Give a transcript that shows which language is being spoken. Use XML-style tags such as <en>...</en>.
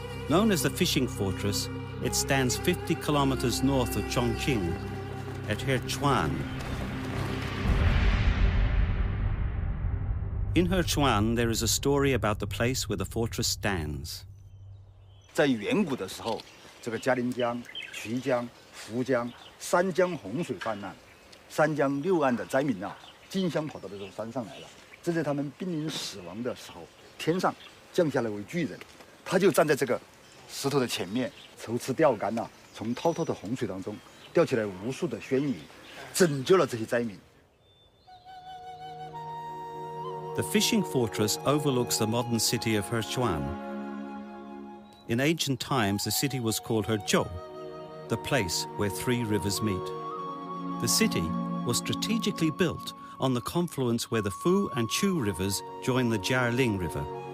<en>Known as the Fishing Fortress, it stands 50 kilometers north of Chongqing at Hechuan. In Hechuan, there is a story about the place where the fortress stands.</en> <zh>在远古的时候，这个嘉陵江、衢江、涪江三江洪水泛滥，三江六岸的灾民啊，竞相跑到这座山上来了。正在他们濒临死亡的时候，天上降下了一位巨人，他就站在这个石头的前面，手持钓竿呐、啊，从滔滔的洪水当中钓起来无数的鲜鱼，拯救了这些灾民。</zh> <en>The fishing fortress overlooks the modern city of Hechuan. In ancient times, the city was called Hechou, the place where three rivers meet. The city was strategically built on the confluence where the Fu and Chu rivers join the Jialing River.</en>